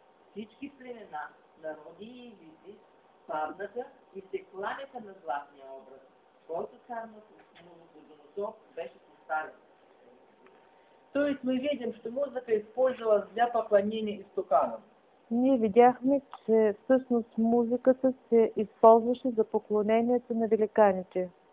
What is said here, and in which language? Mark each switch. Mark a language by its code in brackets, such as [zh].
[bg] Всички племена, народи и езици паднаха и се кланяха на златния образ, който цар Навуходоносор беше поставен. [ru] То есть мы видим, что музыка использовалась для поклонения истукану. [bg] Ние видяхме, че всъщност музиката се използваше за поклонението на великаните.